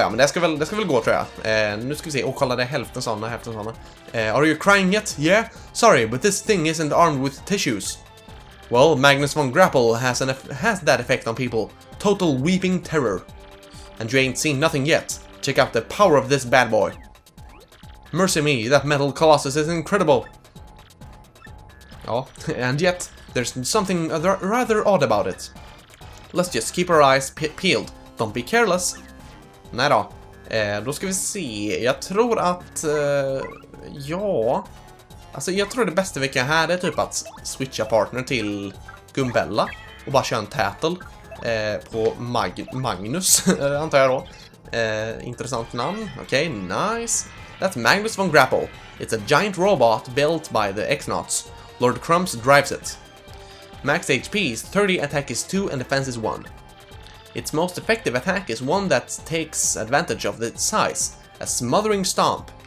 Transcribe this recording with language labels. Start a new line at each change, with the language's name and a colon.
Swedish: Ja, men det ska väl gå, tror jag. Nu ska vi se. Åh, kolla, det är hälften sådana.
English: Are you crying yet? Yeah? Sorry, but this thing isn't armed with tissues. Well, Magnus von Grapple has that effect on people. Total weeping terror. And you ain't seen nothing yet. Check out the power of this bad boy. Mercy me, that metal colossus is incredible. Ja, and yet, there's something rather odd about it. Let's just keep our eyes peeled. Don't be careless.
Swedish: Nej då. Då ska vi se. Jag tror att... ja... Alltså, jag tror det bästa vi kan här är typ att switcha partner till Gumbella och bara köra en tätel på Magnus, antar jag då. Intressant namn. Okej,
English: okay, nice. That's Magnus von Grapple. It's a giant robot built by the Exnauts. Lord Crumbs drives it. Max HP is 30, attack is 2, and defense is 1. Its most effective attack is one that takes advantage of its size, a smothering stomp.